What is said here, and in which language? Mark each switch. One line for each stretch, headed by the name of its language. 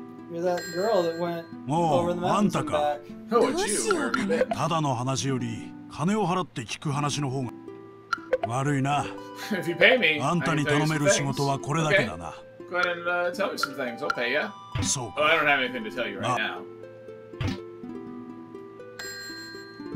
English: You're that girl that went over the mountains back. Oh, it's you. Where have you been?
Japanese: ただの話より金を払って聞く話の方が 悪いな。
English: If you pay me,
Japanese: あんたに頼める仕事はこれだけだな。
English: Okay. Go ahead and tell me some things. I'll pay you. So. Oh, I don't have anything to tell you right now.